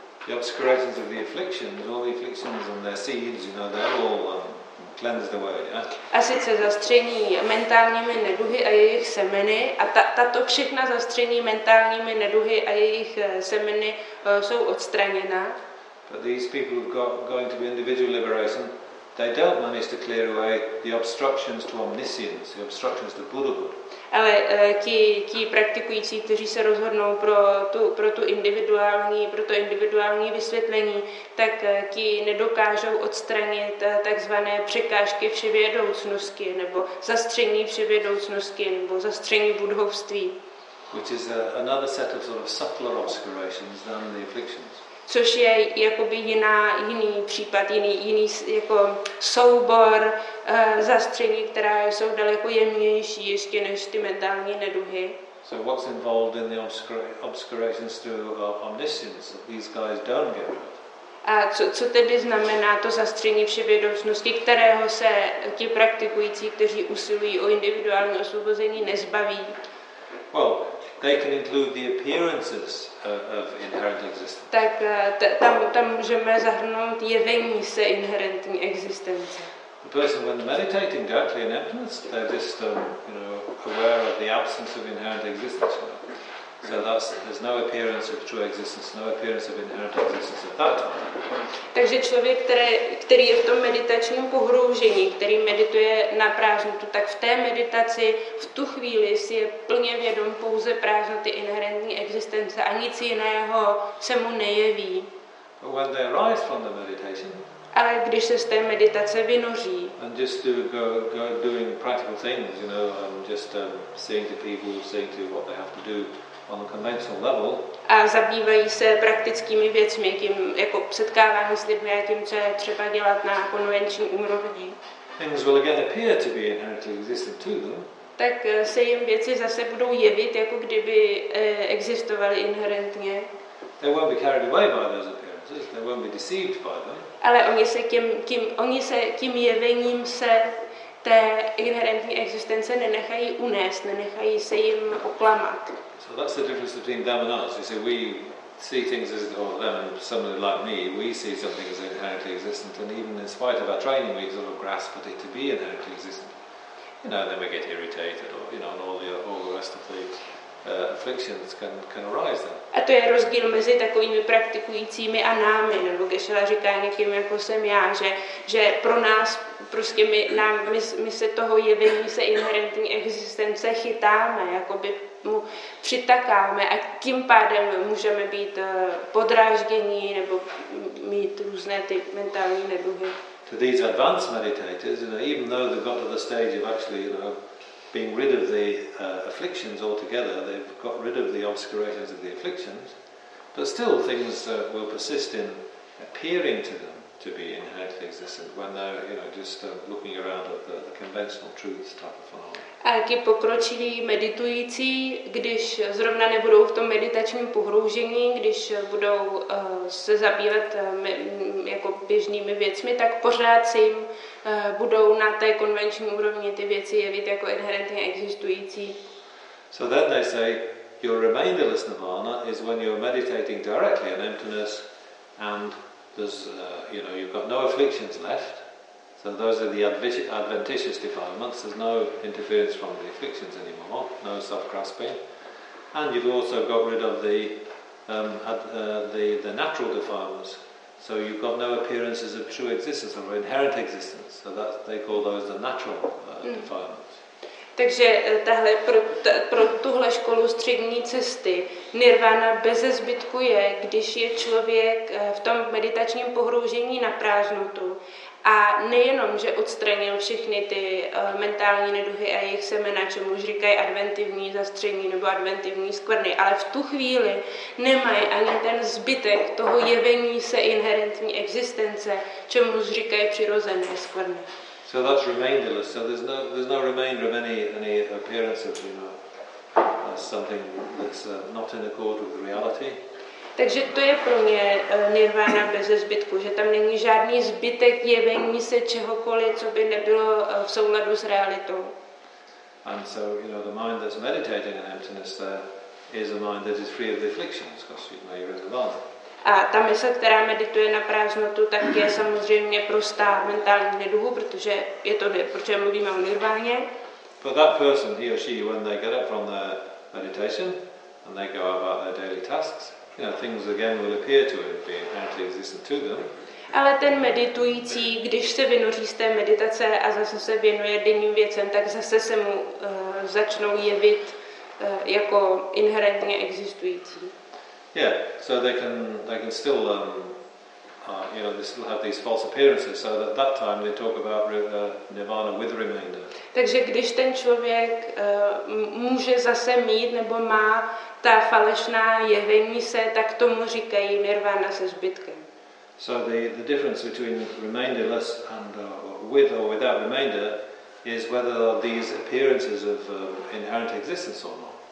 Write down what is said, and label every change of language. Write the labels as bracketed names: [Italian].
[English] The obscurations of the afflictions, all the afflictions and their seeds, you know, they're all cleanse the way, yeah? [Czech] A sice zastření mentálními neduhy a jejich semeny a tato všechna zastření mentálními neduhy a jejich semeny jsou odstraněna. [English] But these people who've got going to be individual liberation, they don't manage to clear away the obstructions to omniscience, the obstructions to Buddhahood. [Czech] Ale ti praktikující, kteří se rozhodnou pro to individuální vysvětlení, tak ti nedokážou odstranit takzvané překážky vševědoucnosti nebo zastření vševědoucnosti nebo zastření budhovství. [English] Which is another set of sort of subtler obscurations than the afflictions. [Czech] Což je jakoby jiný případ, jiný jako soubor zastření, která jsou daleko jemnější ještě než ty mentální neduhy. [English] So what's involved in the obscurations to omniscience? These guys don't get it. [Czech] A co tedy znamená to zastření vševědomostnosti, kterého se ti praktikující, kteří usilují o individuální osvobození, nezbaví? [English] Well, they can include the appearances of inherent existence. [Czech] Tak tam můžeme zahrnout jevení se inherentní existence. [English] The person when meditating directly in emptiness, they're just aware of the absence of inherent existence. So there's no appearance of true existence, no appearance of inherent existence at that time. [Czech] Takže člověk, který je v tom meditačním pohroužení, který medituje na prázdnotu, tak v té meditaci v tu chvíli si je plně vědom pouze prázdnoty inherentní existence a nic jiného se mu nejeví. [English] But when they arise from the meditation, [Czech] ale když se z té meditace vynoří. [English] And just to go doing practical things, seeing to people, seeing to what they have to do. On the conventional level, [Czech] a zabývají se praktickými věcmi, tím, jako setkávání s lidmi a tím, co je třeba dělat na konvenční úrovni. [English] Things will again appear to be inherently existent to them. [Czech] Tak se jim věci zase budou jevit, jako kdyby existovaly inherentně. [English] They won't be carried away by those appearances. They won't be deceived by them. [Czech] Ale oni se tím jevením se té inherentní existence nenechají unést, nenechají se jim oklamat. [English] So that's the difference between them and us. You see, we see things as them, and somebody like me, we see something as inherently existent, and even in spite of our training, we sort of grasp at it to be inherently existent. Then we get irritated, and all the rest of the afflictions can arise then. [Czech] A to je rozdíl mezi takovými praktikujícími a námi, nebo Geshe-la říká někým, jako jsem já, že pro nás, prostě my se toho jevení se inherentní existence chytáme, jakoby mu přitakáme a tím pádem můžeme být podráždění nebo mít různé ty mentální neduhy. [English] To these advanced meditators, even though they've got to the stage of actually, being rid of the afflictions altogether, they've got rid of the obscurations of the afflictions, but still things will persist in appearing to them to be inherently existent when they're, looking around at the conventional truths type of phenomena. [Czech] A ti pokročilí meditující, když zrovna nebudou v tom meditačním pohroužení, když budou se zabývat jako běžnými věcmi, tak pořád si jim budou na té konvenční úrovni ty věci jevit jako inherentně existující. [English] So then they say, your remainderless nirvana is when you're meditating directly on emptiness and there's, you've got no afflictions left. So those are the adventitious defilements. There's no interference from the afflictions anymore, no self-grasping, and you've also got rid of the natural defilements. So you've got no appearances of true existence or inherent existence. So that they call those the natural defilements. [Czech] Takže tahle pro tuhle školu střední cesty nirvana beze zbytku je, když je člověk v tom meditačním pohroužení na prázdnotu. A nejenom, že odstranil všechny ty mentální neduhy a jejich semena, čemu už říkají adventivní zastření nebo adventivní skvrny, ale v tu chvíli nemají ani ten zbytek toho jevení se inherentní existence, čemu už říkají přirozené skvrny. [English] So that's remainderless. So there's no remainder of any appearance of something that's not in accord with reality. [Czech] Takže to je pro mě nirvana beze zbytku, že tam není žádný zbytek jevení se čehokoliv, co by nebylo v souladu s realitou. [English] And so, the mind that's meditating in emptiness there is a mind that is free of the afflictions, because you know you're in the Nirvana. [Czech] A ta mysl, která medituje na prázdnotu, tak je samozřejmě prostá mentální neduhu, protože je to, protože mluvíme o nirváně. [English] But that person, he or she, when they get up from their meditation and they go about their daily tasks, things again will appear to it be inherently existent to them. [Czech] Ale ten meditující, když se vynoří z té meditace a zase se věnuje denním věcem, tak zase se mu začnou jevit jako inherentně existující. [English] Yeah, so they can still they still have these false appearances, so at that time they talk about nirvana with remainder. [Czech] Takže když ten člověk může zase mít nebo má ta falešná jevení se, tak tomu říkají nirvana se zbytkem. [English] So the difference between remainderless and with or without remainder is whether these appearances of inherent existence or not.